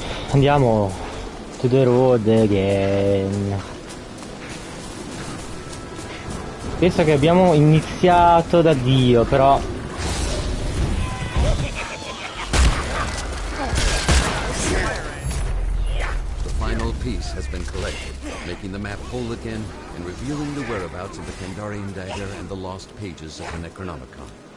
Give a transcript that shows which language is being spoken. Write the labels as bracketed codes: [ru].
[it] Andiamo [en] to the road again. [it] Penso che abbiamo iniziato da Dio, però. [en] The final piece has been collected, making the map whole again and revealing the whereabouts of the Kandarian dagger and the lost pages of the Necronomicon.